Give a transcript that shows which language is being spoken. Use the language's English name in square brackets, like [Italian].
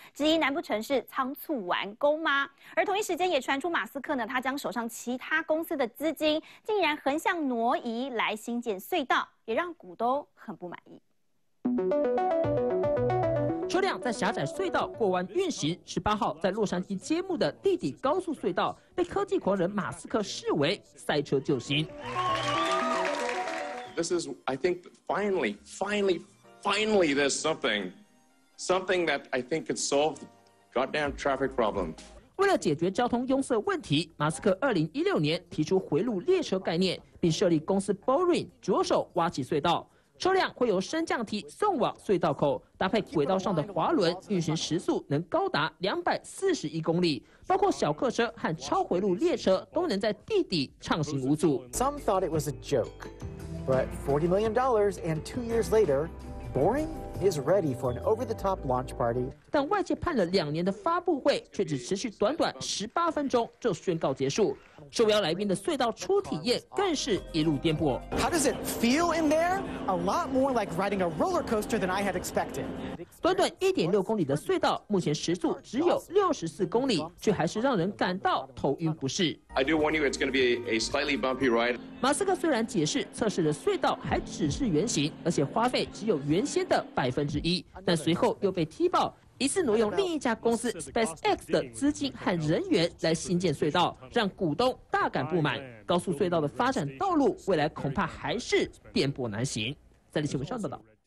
[Chinese] 质疑难不成是仓促完工吗？而同一时间也传出马斯克呢，他将手上其他公司的资金竟然横向挪移来新建隧道，也让股东很不满意。车辆在狭窄隧道过弯运行，十八号在洛杉矶揭幕的地底高速隧道被科技狂人马斯克视为赛车救星。 [English] This is, I think, finally, finally, finally, there's something, something that I think could solve the goddamn traffic problem. [Chinese] 为了解决交通拥塞问题，马斯克2016年提出回路列车概念，并设立公司 Boring 着手挖起隧道。车辆会由升降梯送往隧道口，搭配轨道上的滑轮，运行时速能高达241公里，包括小客车和超回路列车都能在地底畅行无阻。 [English] Some thought it was a joke, but $40 million and 2 years later, Boring? Is ready for an over-the-top launch party. [Chinese] 但外界盼了两年的发布会，却只持续短短18分钟就宣告结束。受邀来宾的隧道初体验更是一路颠簸。 [English] How does it feel in there? A lot more like riding a roller coaster than I had expected. [Chinese] 短短1.6公里的隧道，目前时速只有64公里，却还是让人感到头晕不适。 [English] I do warn you, it's going to be a slightly bumpy ride. [Chinese] 马斯克虽然解释测试的隧道还只是原型，而且花费只有原先的1%，但随后又被踢爆。疑似挪用另一家公司 SpaceX 的资金和人员来新建隧道，让股东大感不满。高速隧道的发展道路未来恐怕还是颠簸难行。再来新闻上报道。